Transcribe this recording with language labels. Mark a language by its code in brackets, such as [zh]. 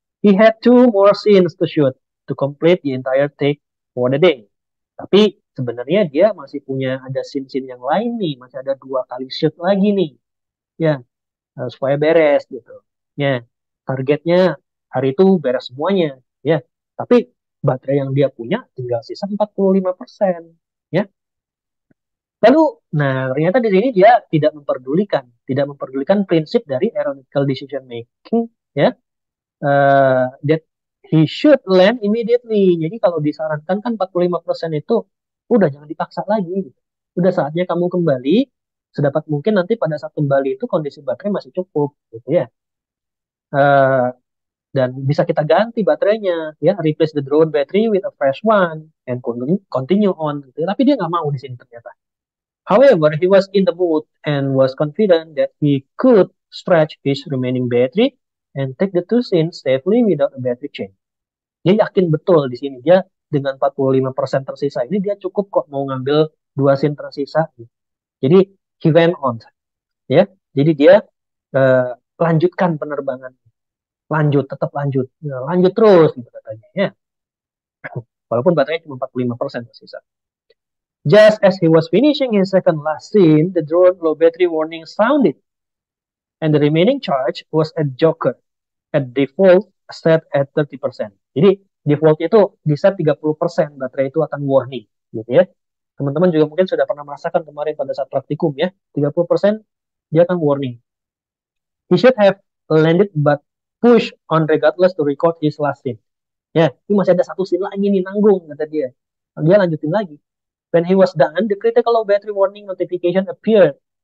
[en] He had two more scenes to shoot to complete the entire take for the day. [id] Tapi sebenarnya dia masih punya ada scene-scene yang lain nih, masih ada dua kali shoot lagi nih. Ya. Supaya beres gitu. Ya. Targetnya hari itu beres semuanya. Ya, tapi baterai yang dia punya tinggal sisa 45%, ya. Lalu, nah ternyata di sini dia tidak memperdulikan prinsip dari aeronautical decision making, ya. [en] That he should land immediately. [id] Jadi kalau disarankan kan 45% itu udah jangan dipaksa lagi. Udah saatnya kamu kembali sedapat mungkin nanti pada saat kembali itu kondisi baterai masih cukup, gitu ya. Dan bisa kita ganti baterainya ya, [en] replace the drone battery with a fresh one and continue on gitu. [id] Tapi dia nggak mau di sini ternyata. [en] However, he was in the mood and was confident that he could stretch his remaining battery and take the two scenes safely without a battery change. [id] Dia yakin betul di sini dia dengan 45% tersisa ini dia cukup kok mau ngambil dua scene tersisa. Jadi [en] he went on. [id] Ya, jadi dia lanjutkan penerbangan. Lanjut, tetap lanjut. Lanjut terus, gitu katanya. Ya. Walaupun baterainya cuma 45% tersisa. [en] Just as he was finishing his second last scene, the drone low battery warning sounded. And the remaining charge was at joker. At default, set at 30%. [id] Jadi, default itu di set 30%, baterai itu akan warning. Gitu ya. Teman-teman juga mungkin sudah pernah merasakan kemarin pada saat praktikum ya. 30% dia akan warning. [en] He should have landed but push on regardless to record his last scene. [id] Ya, yeah, ini masih ada satu scene lagi nih nanggung, kata dia. Dia lanjutin lagi. [en] When he was done, the critical low battery warning notification appeared.